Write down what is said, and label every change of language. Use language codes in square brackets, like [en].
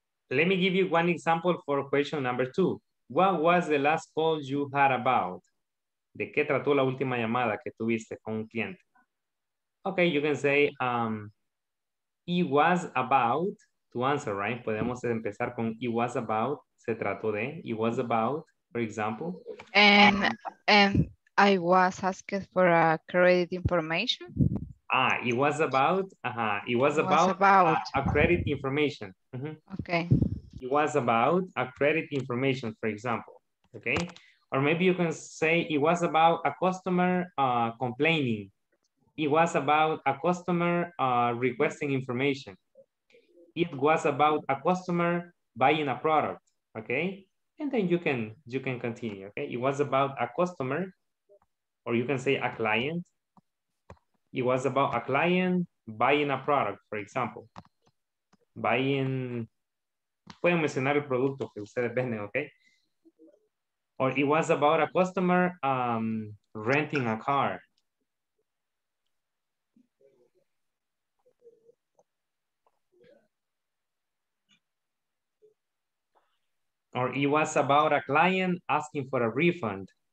[en] Let me give you one example for question number two. What was the last call you had about? [es] ¿De qué trató la última llamada que tuviste con un cliente? [en] Okay, you can say, it was about to answer, right? [es] Podemos empezar con [en] it was about, [es] se trató de, [en] it was about, for example. And I was asked for a credit information. Ah, it was about, it was about a credit information. Mm-hmm. Okay. It was about a credit information, for example, okay? Or maybe you can say it was about a customer complaining. It was about a customer requesting information. It was about a customer buying a product, okay? And then you can continue, okay? It was about a customer, or you can say a client. It was about a client buying a product, for example. [es] Buying, pueden mencionar el producto que ustedes venden, okay? [en] Or it was about a customer renting a car. Or it was about a client asking for a refund.